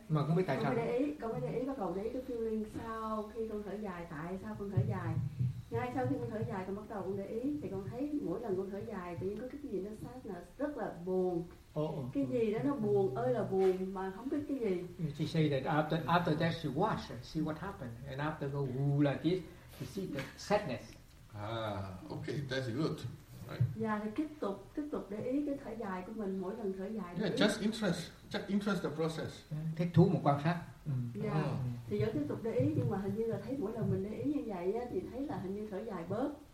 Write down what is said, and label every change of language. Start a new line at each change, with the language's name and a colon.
Vietnamese: Mà không biết tại sao. Con mới để ý cái feeling sau khi con thở dài, tại sao con thở dài. Ngay sau khi con thở dài, con bắt đầu con để ý thì con thấy mỗi lần con thở dài, tự nhiên có cái gì nó sadness, rất là buồn. Oh. Cái gì đó nó buồn ơi là buồn mà không biết cái gì.
English: She say that after that she watch and see what happened and after go woo like this, she see the sadness. Ah, okay, that's good. Right.
Vietnamese: Yeah, tiếp tục để ý cái thở dài của mình mỗi lần thở dài.
English: Yeah, just interest the process.
Vietnamese: Thích thú một quan sát. Thì vẫn tiếp tục để ý, nhưng mà hình như là thấy mỗi lần mình để ý như vậy á thì thấy là hình như thở dài bớt.